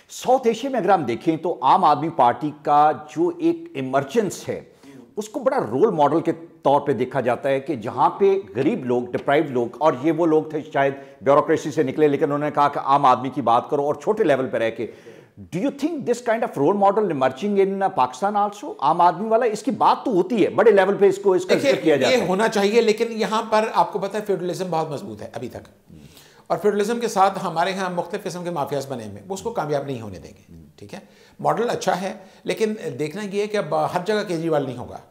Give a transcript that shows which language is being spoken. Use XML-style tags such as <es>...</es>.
<ur>South Asia میں اگر ہم دیکھیں تو عام آدمی پارٹی کا جو ایک ایمرجنس ہے اس کو بڑا رول ماڈل کے طور پہ دیکھا جاتا ہے, کہ جہاں پہ غریب لوگ, ڈپرائیوڈ لوگ, اور یہ وہ لوگ تھے شاید بیوروکریسی سے نکلے لیکن انہوں نے کہا کہ عام آدمی کی بات کرو اور چھوٹے لیول پہ رہ کے.</ur> <en>Do you think this kind of role model emerging in Pakistan also?</en> <ur>عام آدمی والا, اس کی بات تو ہوتی ہے بڑے لیول پہ, اس کو اس کا ذکر کیا جاتا ہے, یہ ہونا چاہیے, لیکن یہاں پر آپ کو پتا ہے فیوڈلزم بہت مضبوط ہے ابھی تک, اور فیوڈلزم کے ساتھ ہمارے یہاں مختلف قسم کے مافیاز بنے ہوئے, وہ اس کو کامیاب نہیں ہونے دیں گے. ٹھیک ہے, ماڈل اچھا ہے, لیکن دیکھنا یہ ہے کہ اب ہر جگہ کیجریوال نہیں ہوگا.</ur>